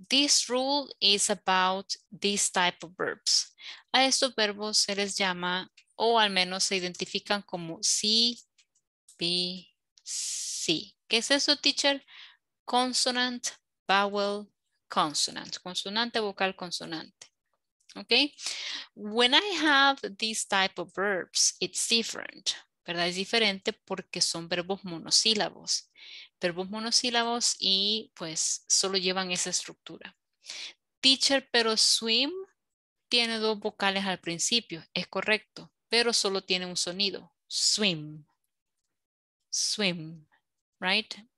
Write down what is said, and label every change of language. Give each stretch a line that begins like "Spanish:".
English: This rule is about this type of verbs.
Spanish: A estos verbos se les llama, o al menos se identifican como CVC. ¿Qué es eso, teacher?
English: Consonant, vowel, consonant.
Spanish: Consonante, vocal, consonante. Okay.
English: When I have this type of verbs, it's different.
Spanish: ¿Verdad? Es diferente porque son verbos monosílabos. Verbos monosílabos y pues solo llevan esa estructura. Teacher, pero swim tiene dos vocales al principio. Es correcto, pero solo tiene un sonido. Swim. Swim. Right?